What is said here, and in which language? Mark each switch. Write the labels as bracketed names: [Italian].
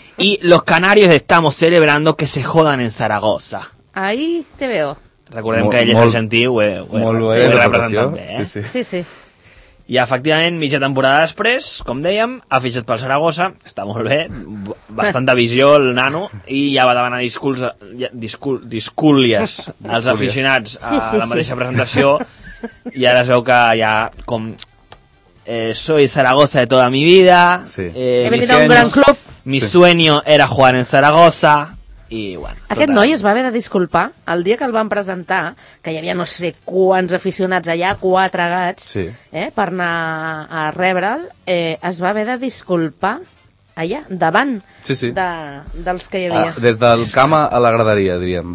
[Spanish] Y los canarios estamos celebrando que se jodan en Zaragoza. Ahí te veo. [Catalan] Recordem que ell és argentí, molt bé, representant bé, eh? Sí, sí. Sí, sí. I efectivament, mitja temporada després, com dèiem, ha fitxat pel Saragossa, està molt bé, bastanta visió el nano, i ja va demanar discúlies als aficionats a la mateixa presentació, i ara es veu que ja com... [Spanish] soy Zaragoza de toda mi vida, he venido a un gran club, mi sueño era jugar en Zaragoza, [Catalan] i bueno... Aquest noi es va haver de disculpar el dia que el van presentar, que hi havia no sé quants aficionats allà, quatre gats, sí, per anar a rebre'l, es va haver de disculpar allà, davant dels que hi havia. Des del camp a la graderia, diríem.